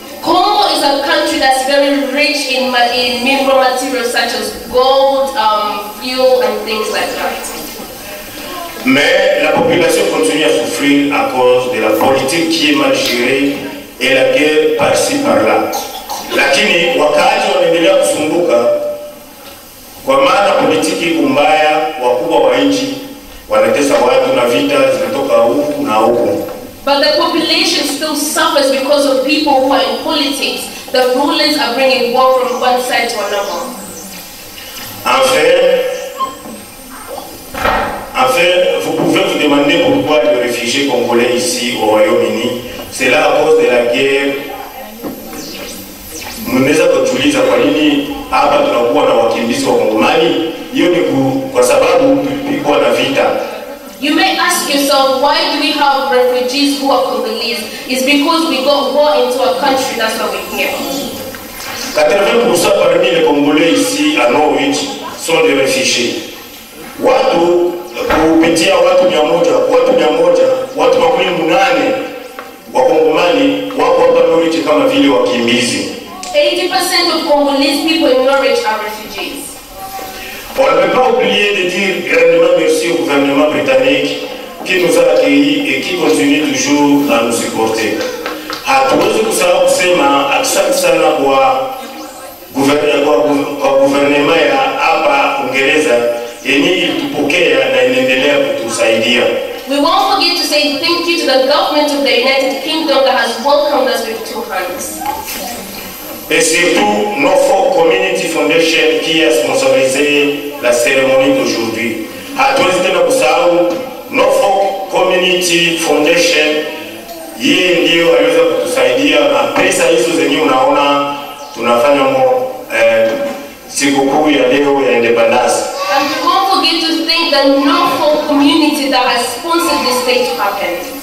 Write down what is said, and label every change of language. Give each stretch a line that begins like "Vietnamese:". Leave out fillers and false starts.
English: Congo is a country that's very rich in mineral materials such as gold, fuel and things like that.
French: Mais la population continue à souffrir à cause de la politique qui est mal gérée et la guerre par-ci par-là.
Swahili: Lakini wakati wanaendelea kusumbuka kwa maana politiki mbaya, wakubwa wa nchi wanatesa watu na vita zinatoka huku na huku.
English: But the population still suffers because of people who are in politics. The rulers are bringing war from one side to another.
French: En fait, vous pouvez vous demander pourquoi les réfugiés congolais ici au Royaume-Uni. C'est là à cause de la guerre.
Swahili: Mnaweza kujiuliza kwa nini hapa tunakuwa na wakimbizi wa Kongomani? Hiyo ni kwa sababu tulikuwa na vita.
English: You may ask yourself, why do we have refugees who are Congolese? It's because we got war into our country, that's why we're here.
French: 80% parmi les Congolais ici à Nord sont des réfugiés.
Swahili: Watu kupitia watu mia moja, watu mia moja, watu makumi munane wakongomani wako hapa Norwich kama vile wakimbizi.
English: 80% of Congolese people in Norwich are refugees.
French: On ne peut pas oublier de dire grandement merci au gouvernement britannique qui nous a accueillis et qui continue toujours à nous supporter. À tous ceux qui sont au Sema, à tous ceux qui sont au gouvernement et à part Ungereza,
English: we won't forget to say thank you to the government of the United Kingdom that has welcomed us with two hands.
French: Et surtout, Norfolk Community Foundation qui a sponsorisé la cérémonie d'aujourd'hui. À tous les gens de Norfolk Community Foundation, il y a eu un idée à après ça, il y a eu un idée
English: and we won't forget to thank the Norfolk community that has sponsored this day to happen.